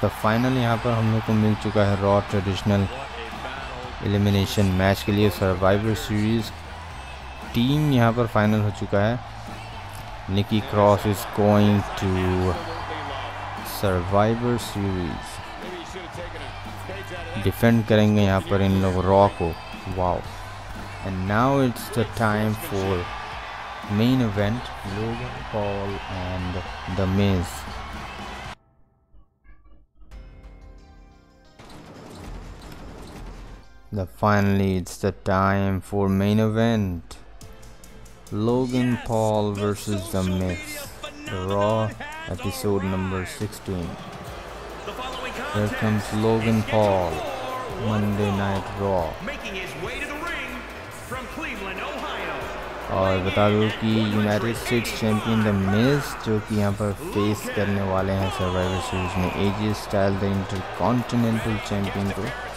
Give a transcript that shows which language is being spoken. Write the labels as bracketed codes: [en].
[hi] The final यहाँ पर हम लोग को मिल चुका है रॉ ट्रेडिशनल एलिमिनेशन मैच के लिए सर्वाइवर सीरीज टीम यहाँ पर फाइनल हो चुका है। [en] Nikki Cross is going to Survivor Series [hi] defend करेंगे यहाँ पर इन लोग रॉ को। [en] Wow and now it's the time for main event Logan Paul and The Miz. Finally it's the time for main event Logan yes, Paul versus The Miz, Raw episode number 16. Here comes Logan Paul, Monday Night Raw. Making his way to the ring from Cleveland, Ohio. [hi] और बता दो कि United States Champion The Miz जो कि यहाँ पर face करने वाले हैं Survivor Series में AJ Styles The Intercontinental Champion को.